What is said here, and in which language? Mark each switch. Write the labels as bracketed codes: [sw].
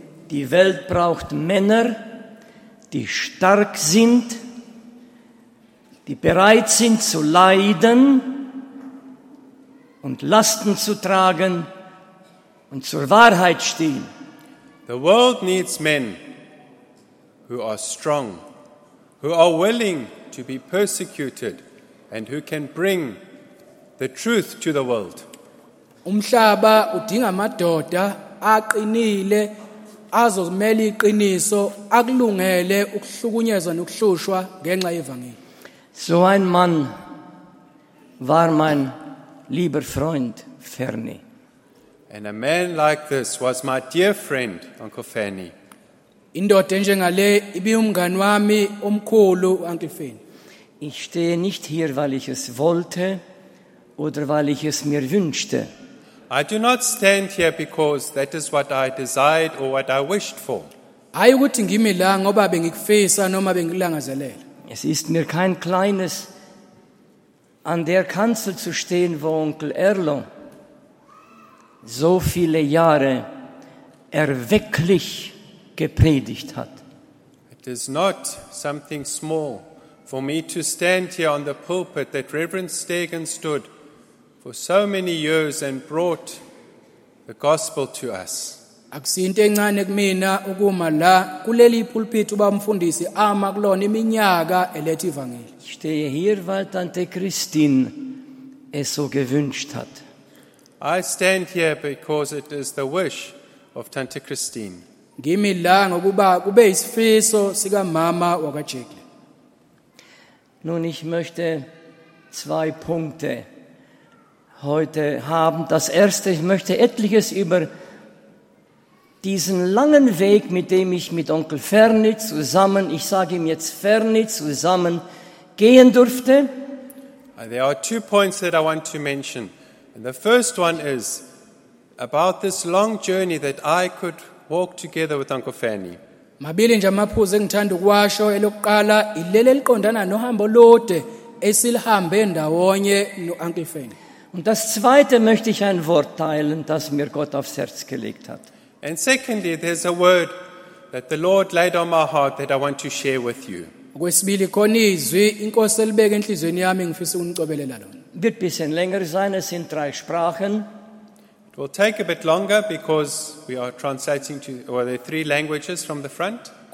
[de] Die Welt braucht Männer, die stark sind, die bereit sind zu leiden und Lasten zu tragen und zur Wahrheit stehen. [en] The world needs men who are strong, who are willing to be persecuted and who can bring the truth to the world. [zu] Umhlaba udinga amadoda aqinile azomela iqiniso akulungele ukuhlukunyezwa nokuhlushwa ngenxa yevangeli. [de] So ein Mann war mein lieber Freund Ferny. [en] And a man like this was my dear friend Uncle Ferny. [zu] Indoda njengale ibe umngani wami omkhulu Uncle Ferny. [de] Ich stehe nicht hier, weil ich es wollte oder weil ich es mir wünschte. [en] I do not stand here because that is what I desired or what I wished for. [zu] Ayikuthi ngimi la ngoba bengikufisa noma bengilangazelela. [de] Es ist mir kein kleines an der Kanzel zu stehen, wo Onkel Erlo so viele Jahre erwecklich gepredigt hat. [en] It is not something small for me to stand here on the pulpit that Reverend Staken stood for so many years and brought the gospel to us. [zu] Akusinto encane kumina ukuma la kuleli pulpit ubamfundisi ama kulona iminyaka elethe ivangeli. [de] Ich stehe hier, weil Tante Christine es so gewünscht hat. [en] I stand here because it is the wish of Tante Christine. [zu] Ngimi la ngokuba kube isifiso sika mama waka Jackie. [de] Nun, ich möchte zwei Punkte heute haben. Das erste, ich möchte etliches über diesen langen Weg, mit dem ich mit Onkel Ferny zusammen, ich sage ihm jetzt Ferny, zusammen gehen durfte. [en] There are two points that I want to mention. And the first one is about this long journey that I could walk together with Uncle Ferny. [zu] Mabili nje amaphuzu engithanda ukwasho elokuqala ilele liqondana nohambo lode esilihambe ndawonye no-Uncle Ferny. [de] Und das zweite möchte ich ein Wort teilen, das mir Gott aufs Herz gelegt hat. [en] And secondly, there's a word that the Lord laid on my heart that I want to share with you. [zu] Kwesibili khona izwi inkosi elibeke enhlizweni yami ngifisa ukunicobelela lona. [de] Wird ein bisschen länger sein, es sind drei Sprachen. [en] It will take a bit longer because we are translating to, or there are three languages from the front.